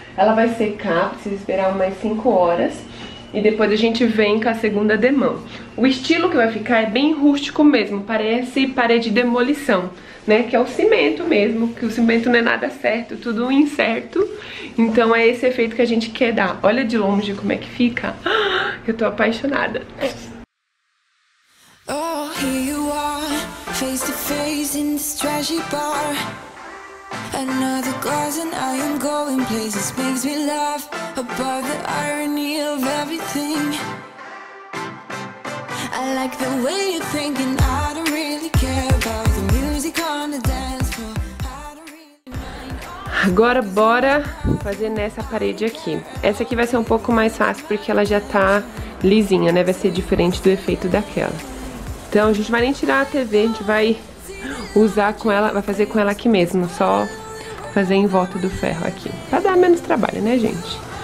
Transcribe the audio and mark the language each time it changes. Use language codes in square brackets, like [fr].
[pt] Ela vai secar, precisa esperar umas 5 horas. E depois a gente vem com a segunda demão. O estilo que vai ficar é bem rústico mesmo, parece parede de demolição, né? Que é o cimento mesmo, que o cimento não é nada certo, tudo incerto. Então é esse efeito que a gente quer dar. Olha de longe como é que fica. Eu tô apaixonada. [en] Oh, here you are, face to face in this trashy bar. Another glass and I am going places. Makes me laugh above the irony of everything. I like the way you're thinking. I don't really care about the music on the dance floor. I don't really mind. [pt] Agora bora fazer nessa parede aqui. Essa aqui vai ser um pouco mais fácil porque ela já tá lisinha, né? Vai ser diferente do efeito daquela. Então a gente vai nem tirar a TV, a gente vai usar com ela, vai fazer com ela aqui mesmo, só fazer em volta do ferro aqui, pra dar menos trabalho, né, gente?